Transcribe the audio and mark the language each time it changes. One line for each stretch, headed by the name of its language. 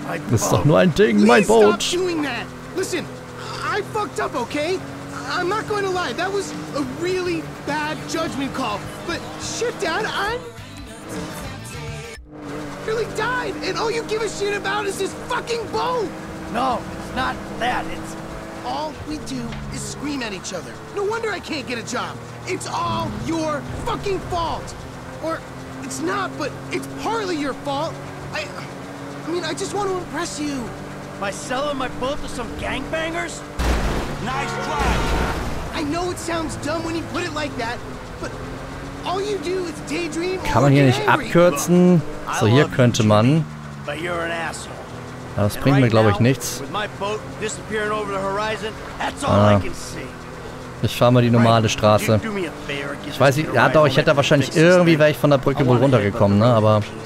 German: Das ist doch nur ein Ding, mein Boot.
English: Listen, I fucked up, okay? I'm not going to lie, that was a really bad judgment call. But shit, Dad, I really died, and all you give a shit about is this fucking boat. No, it's not that. It's all we do is scream at each other. No wonder I can't get a job. It's all your fucking fault. Or it's not, but it's partly your fault. I mean, I just want to impress you. By selling my boat to some gangbangers? Nice try. I know it sounds dumb when you put it like that, but all you do is daydream.
German: Kann man hier nicht abkürzen? So, hier könnte man.
English: But you're an asshole.
German: Das bringt mir, glaube ich, nichts.
English: With my boat disappearing over the horizon, that's all I can see.
German: Ich fahre mal die normale Straße. Ich weiß nicht, ja doch, ich hätte da wahrscheinlich irgendwie, wäre ich von der Brücke wohl runtergekommen, ne, aber...